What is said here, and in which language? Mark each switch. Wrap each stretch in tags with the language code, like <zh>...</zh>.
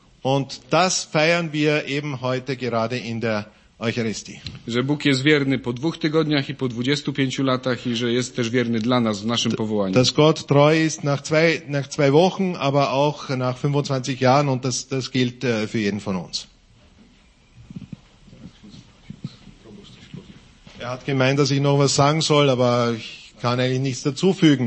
<de>Und das feiern wir eben heute gerade in der Eucharistie.</de> <pl>Że Bóg jest wierny po 2 tygodniach i po 25 latach i że jest też wierny dla nas w naszym powołaniu.</pl> <de>Dass Gott treu ist nach zwei Wochen, aber auch nach 25 Jahren und das gilt für jeden von uns. Er hat gemeint, dass ich noch was sagen soll, aber ich kann eigentlich nichts dazu fügen.</de>